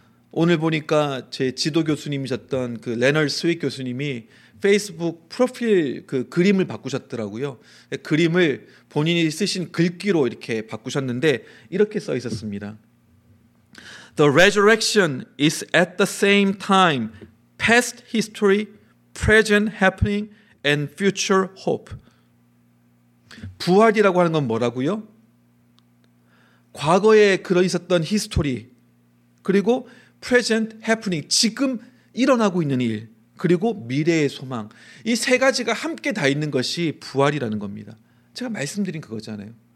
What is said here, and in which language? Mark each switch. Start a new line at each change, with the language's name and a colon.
Korean: 오늘 보니까 제 지도 교수님이셨던 그 레너드 스윗 교수님이 페이스북 프로필 그 그림을 바꾸셨더라고요. 그림을 본인이 쓰신 글귀로 이렇게 바꾸셨는데 이렇게 써 있었습니다.
English: The resurrection is at the same time past history, present happening, and future hope.
Korean: 부활이라고 하는 건 뭐라고요? 과거에 그러 있었던 히스토리, 그리고
English: present happening,
Korean: 지금 일어나고 있는 일, 그리고 미래의 소망. 이 세 가지가 함께 다 있는 것이 부활이라는 겁니다. 제가 말씀드린 그거잖아요.